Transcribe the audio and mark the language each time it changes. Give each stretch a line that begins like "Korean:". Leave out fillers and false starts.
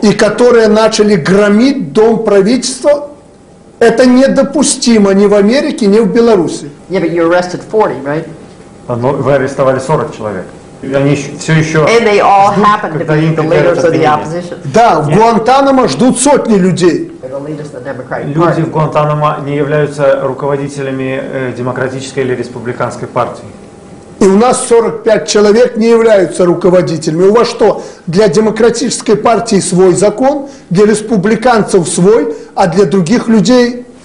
Russian: И которые начали громить дом правительства. Это недопустимо ни в Америке, ни в Беларуси.
English: Yeah, but you arrested 40, right?
Russian: Но вы арестовали 40 человек. Они все еще
English: and they all
Russian: ждут,
English: happen to be the leaders of the opposition.
Russian: Да, в Гуантанамо ждут сотни людей. Люди в Гуантанамо не являются руководителями демократической или республиканской партии. И у нас 45 человек не являются руководителями. У вас что, для демократической партии свой закон, для республиканцев свой, а для других людей